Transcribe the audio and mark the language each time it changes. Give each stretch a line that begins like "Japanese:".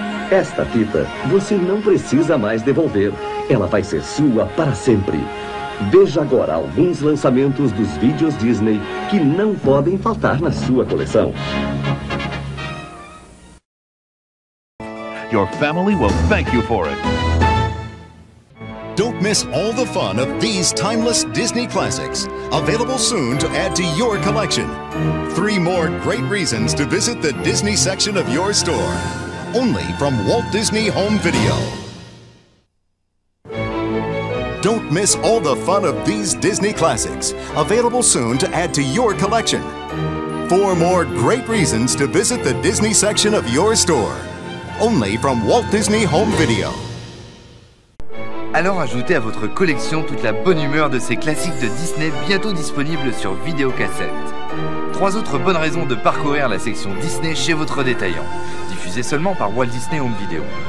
Portuguese: Esta fita você não precisa mais devolver. Ela vai ser sua para sempre. Veja agora alguns lançamentos dos vídeos Disney que não podem faltar na sua coleção.
English: Your family will thank you for it. Don't miss all the fun of these timeless Disney classics. Available soon to add to your collection. Three more great reasons to visit the Disney section of your store. Only from Walt Disney Home Video. Don't miss all the fun of these Disney classics. Available soon to add to your collection. Four more great reasons to visit the Disney section of your store. Only from Walt Disney Home Video.
French: Alors ajoutez à votre collection toute la bonne humeur de ces classiques de Disney bientôt disponibles sur vidéocassette. Trois autres bonnes raisons de parcourir la section Disney chez votre détaillant. Diffusée seulement par Walt Disney Home Video.